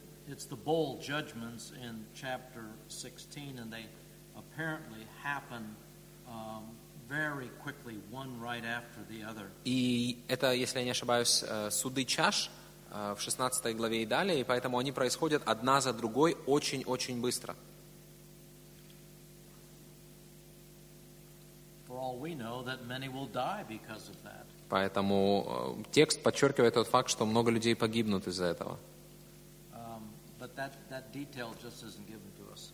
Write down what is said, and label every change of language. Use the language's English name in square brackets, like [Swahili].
[English] It's the bowl judgments in chapter 16, and they apparently happen very quickly, one right after the other. [Russian] И это, если я не ошибаюсь, суды чаш в 16 главе и далее, и поэтому они происходят одна за другой очень-очень быстро. [English] For all we know, that many will die because of that. [Russian] Поэтому текст подчеркивает тот факт, что много людей погибнут из-за этого. [English] But that detail just isn't given to us.